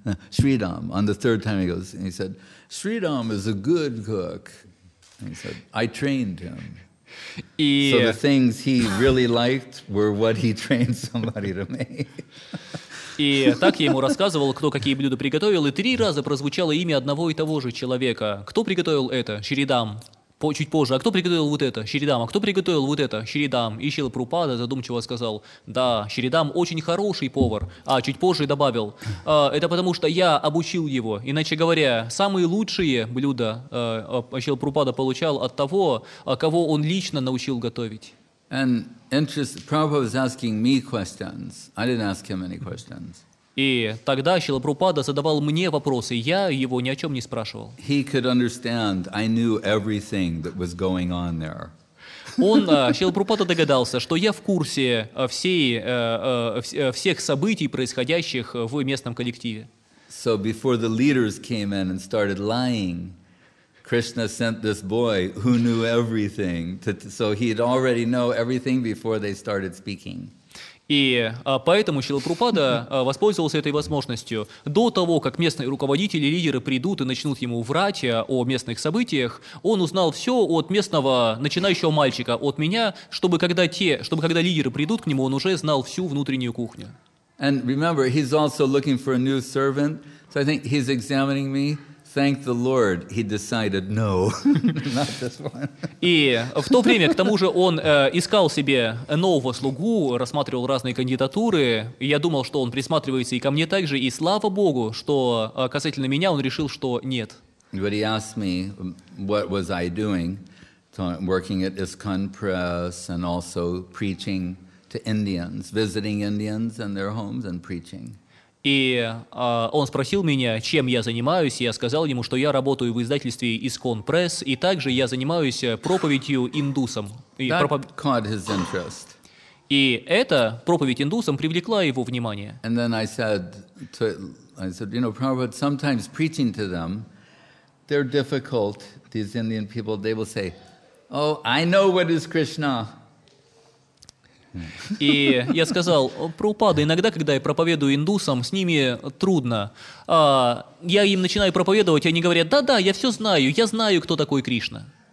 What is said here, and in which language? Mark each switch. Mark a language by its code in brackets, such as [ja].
[en] Sridham. On the third time he goes, and he said, Sridham is a good cook. And he said, I trained him. Yeah. So the things he really liked were what he trained somebody to make. [ru] И так я ему рассказывал, кто какие блюда приготовил, и три раза прозвучало имя одного и того же человека. Кто приготовил это? Шридам. Чуть позже. А кто приготовил вот это? Шридам. А кто приготовил вот это? Шридам. И Шрила Прабхупада задумчиво сказал, да, Шридам очень хороший повар. А чуть позже добавил, это потому что я обучил его. Иначе говоря, самые лучшие блюда Шрила Прабхупада получал от того, кого он лично научил готовить. [en] And interest, Prabhupada was asking me questions. I didn't ask him any questions. [ru] И тогда Шрила Прабхупада задавал мне вопросы. Я его ни о чем не спрашивал. [en] He could understand. I knew everything that was going on there. [ru] Он, Шрила Прабхупада догадался, что я в курсе всех событий, происходящих в местном коллективе. [en] So before the leaders came in and started lying, Krishna sent this boy who knew everything, so he'd already know everything before they started speaking. [ru] И поэтому Шрила Прабхупада воспользовался этой возможностью. До того, как местные руководители, лидеры придут и начнут ему врать о местных событиях, он узнал все от местного начинающего мальчика, от меня, чтобы когда лидеры придут к нему, он уже знал всю внутреннюю кухню. [en] And remember, he's also looking for a new servant, so I think he's examining me. Thank the Lord, he decided no, not this one. [ru] И в то время, к тому же, он искал себе нового слугу, рассматривал разные кандидатуры, и я думал, что он присматривается и ко мне также, и слава Богу, что касательно меня он решил, что нет. [en] But he asked me, what was I doing, working at ISKCON Press, and also preaching to Indians, visiting Indians in their homes and preaching. [ru] И он спросил меня, чем я занимаюсь, я сказал ему, что я работаю в издательстве ISKCON Press, и также я занимаюсь проповедью индусам. [en] Caught his interest. [ru] И эта проповедь индусам привлекла его внимание. [en] And then I said, you know, Prabhupada, sometimes preaching to them, they're difficult, these Indian people, they will say, oh, I know what is Krishna. [ru] И я сказал, Прабхупада, иногда, когда я проповедую индусам, с ними трудно. Я им начинаю проповедовать, и они говорят, да-да, я все знаю, я знаю, кто такой Кришна.